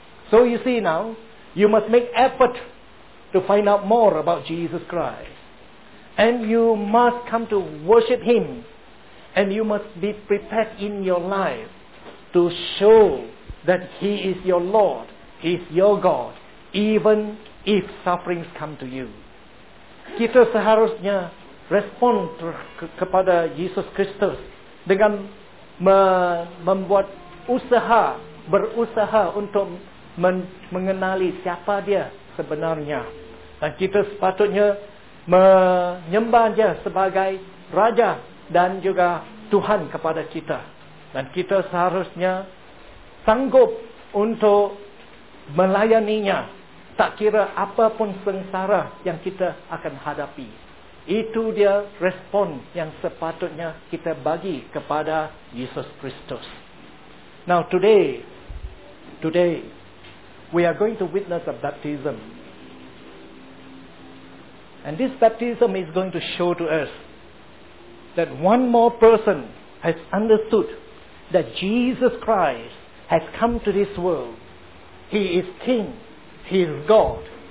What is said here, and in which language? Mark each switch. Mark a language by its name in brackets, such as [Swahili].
[English] So you see now, you must make effort to find out more about Jesus Christ. And you must come to worship him. And you must be prepared in your life to show that he is your Lord, he is your God, even if sufferings come to you. [Malay] Kita seharusnya respon kepada Yesus Kristus dengan membuat usaha, berusaha untuk mengenali siapa dia sebenarnya. Dan kita sepatutnya menyembah dia sebagai Raja dan juga Tuhan kepada kita. Dan kita seharusnya sanggup untuk melayaninya tak kira apapun sengsara yang kita akan hadapi. Itu dia respon yang sepatutnya kita bagi kepada Yesus Kristus. [English] Now today we are going to witness a baptism. And this baptism is going to show to us that one more person has understood that Jesus Christ has come to this world. He is King. He is God.